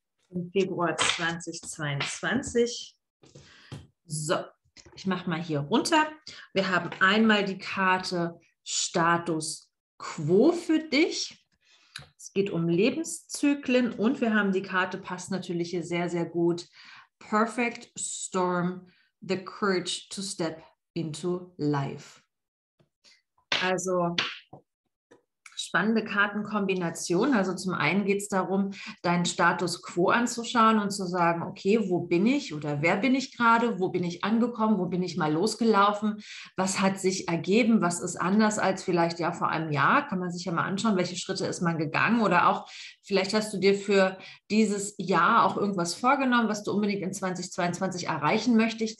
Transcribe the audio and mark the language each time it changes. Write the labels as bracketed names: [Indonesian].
[German] Im Februar 2022. So, ich mache mal hier runter. Wir haben einmal die Karte Status Quo für dich. Es geht um Lebenszyklen, und wir haben die Karte, passt natürlich hier sehr, sehr gut. [English] Perfect Storm, the courage to step into life. [German] Also spannende Kartenkombination. Also zum einen geht es darum, deinen Status quo anzuschauen und zu sagen, okay, wo bin ich oder wer bin ich gerade? Wo bin ich angekommen? Wo bin ich mal losgelaufen? Was hat sich ergeben? Was ist anders als vielleicht ja vor einem Jahr? Kann man sich ja mal anschauen, welche Schritte ist man gegangen, oder auch vielleicht hast du dir für dieses Jahr auch irgendwas vorgenommen, was du unbedingt in 2022 erreichen möchtest.